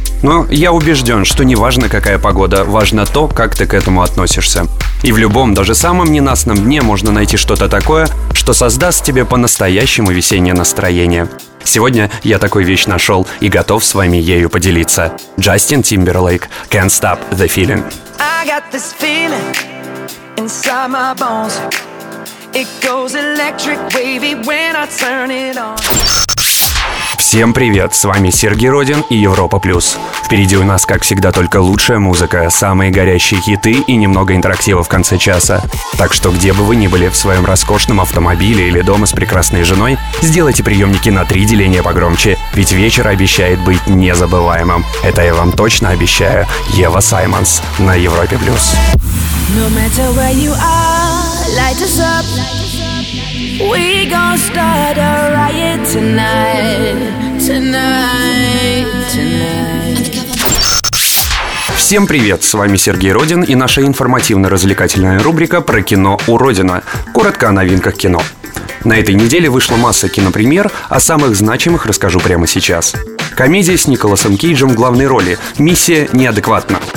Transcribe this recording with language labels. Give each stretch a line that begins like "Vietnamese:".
Russian: Но я убежден, что неважно, какая погода, важно то, как ты к этому относишься. И в любом, даже самом ненастном дне можно найти что-то такое, что создаст тебе по-настоящему весеннее настроение. Сегодня я такую вещь нашел и готов с вами ею поделиться.
English: Джастин Тимберлейк, Can't Stop the Feeling. I got this feeling inside my bones. It goes electric, wavy when I turn it on.
Russian: Всем привет, с вами Сергей Родин и Европа Плюс. Впереди у нас, как всегда, только лучшая музыка, самые горящие хиты и немного интерактива в конце часа. Так что где бы вы ни были, в своем роскошном автомобиле или дома с прекрасной женой, сделайте приемники на 3 деления погромче, ведь вечер обещает быть незабываемым. Это я вам точно обещаю. Ева Саймонс на Европе Плюс.
English: No matter where you are, light us up. We gon' start a riot tonight, tonight, tonight.
Russian: Всем привет, с вами Сергей Родин и наша информативно-развлекательная рубрика про кино у Родина. Коротко о новинках кино. На этой неделе вышла масса кинопремьер, о самых значимых расскажу прямо сейчас. Комедия с Николасом Кейджем в главной роли «Миссия неадекватна».